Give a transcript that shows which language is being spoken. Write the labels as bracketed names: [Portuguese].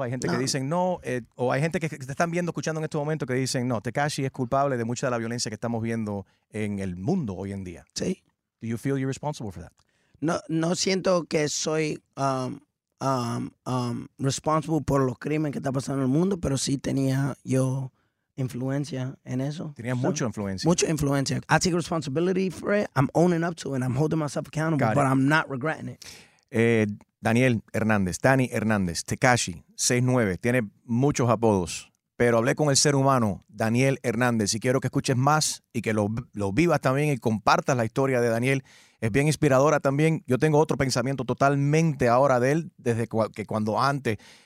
[Spanish] Hay gente que dicen no, o hay gente que te están viendo, escuchando en este momento, que dicen no, Tekashi es culpable de mucha de la violencia que estamos viendo en el mundo hoy en día. Sí. [English] Do you feel you're responsible for that? [Spanish] No siento que soy responsible por los crímenes que está pasando en el mundo, pero sí tenía yo influencia en eso. Tenía mucha influencia. Mucha influencia. [English] I take responsibility for it. I'm owning up to it. I'm holding myself accountable, but I'm not regretting it. [Spanish] Daniel Hernández, Dani Hernández, Tekashi, 6ix9ine, tiene muchos apodos, pero hablé con el ser humano, Daniel Hernández, y quiero que escuches más y que lo vivas también y compartas la historia de Daniel. Es bien inspiradora también. Yo tengo otro pensamiento totalmente ahora de él, desde que cuando antes...